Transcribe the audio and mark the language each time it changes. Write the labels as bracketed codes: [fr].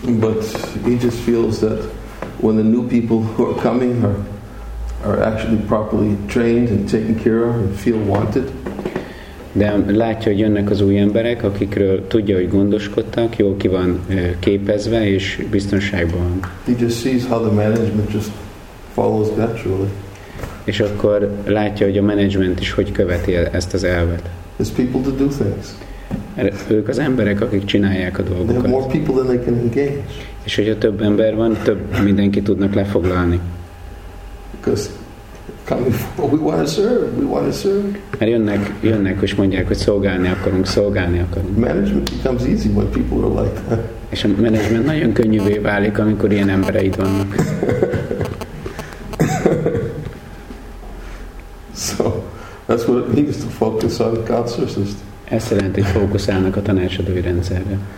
[en] But he just feels that when the new people who are coming are actually properly trained and taken care of and feel wanted. [hu] De látja, hogy jönnek az új emberek, akikről tudja, hogy gondoskodtak, jól ki van képezve és biztonságban van. [en] He just sees how the management just follows naturally. [hu] És akkor látja, hogy a menedzsment is hogy követi ezt az elvet. [en] It's people to do things. [hu] Ők az emberek, akik csinálják a dolgokat. [en] They have more people than they can engage. [hu] És hogyha több ember van, több mindenki tudnak lefoglalni. [en] Because coming for, we want to serve. [hu] Mert jönnek, és mondják, hogy szolgálni akarunk. [en] Management becomes easy when people are like that. [hu] És a management nagyon könnyűvé válik, amikor ilyen embereid vannak. [en] So that's what it means to focus on the counselor system. [hu] Ez jelenti, hogy fókuszálnak a tanácsadói rendszerre.